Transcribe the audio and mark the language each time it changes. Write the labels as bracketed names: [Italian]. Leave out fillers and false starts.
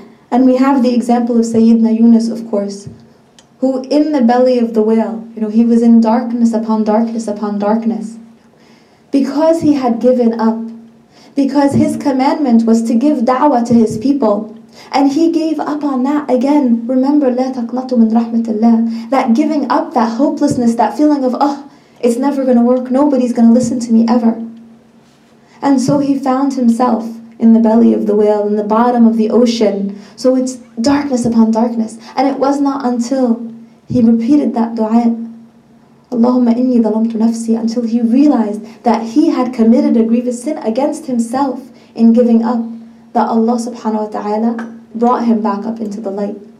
[English] And we have the example of Sayyidina Yunus, of course, who in the belly of the whale, you know, he was in darkness upon darkness upon darkness. because he had given up, because his commandment was to give da'wah to his people, and he gave up on that. Again, remember, [Arabic] لا تقنطوا من رحمة الله. [English] That giving up, that hopelessness, that feeling of, oh, it's never going to work, nobody's going to listen to me ever. And so he found himself in the belly of the whale, in the bottom of the ocean. So it's darkness upon darkness. And it was not until he repeated that dua, [Arabic] اللهم إني ظلمت نفسي, [English] until he realized that he had committed a grievous sin against himself in giving up, that Allah subhanahu wa ta'ala brought him back up into the light.